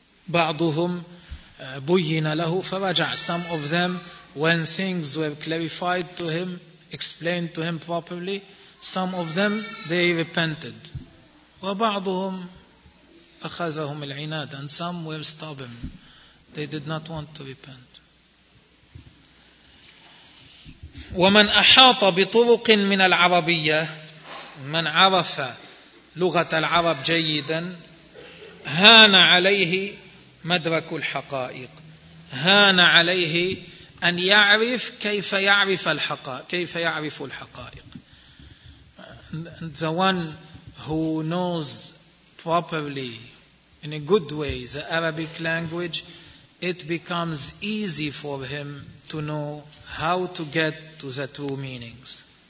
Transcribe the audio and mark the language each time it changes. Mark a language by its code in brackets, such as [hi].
[ar] بعضهم بين له فرجع, [en] some of them, when things were clarified to him, explained to him properly, some of them, they repented. [ar] وبعضهم أخذهم العناد, [en] and some were stubborn. They did not want to repent. [ar] ومن أحاط بطرق من العربية, من عرف لغة العرب جيدا, هان عليه مدرك الحقائق. هان عليه أن يعرف كيف يعرف الحقائق. كيف يعرف الحقائق. [en] The one who knows properly, in a good way, the Arabic language, it becomes easy for him to know how to get to the true meanings.